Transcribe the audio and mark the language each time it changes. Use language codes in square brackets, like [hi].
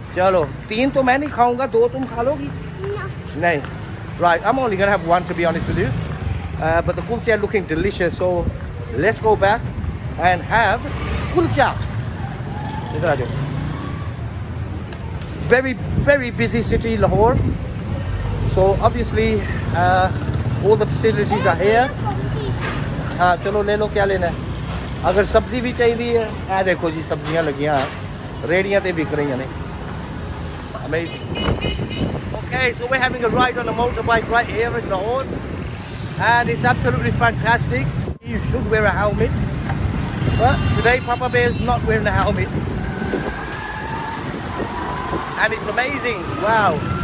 [hi] चलो तीन तो मैं नहीं खाऊंगा दो तुम खा लोगी ना। नहीं [en] Right, I'm only gonna have one, to be honest with you. But the kulcha are looking delicious, so let's go back and have kulcha. Very, very busy city, Lahore. So obviously, all the facilities are here. [hi] हाँ चलो ले लो क्या लेना है अगर सब्जी भी चाहिए है आ देखो जी सब्जियां लगी हैं रेडियां ते बिक रही हैं ना [en] अमेज़ Okay so we're having a ride on a motorbike right here in Lahore and it's absolutely fantastic you should wear a helmet but today Papa Bear is not wearing a helmet and it's amazing wow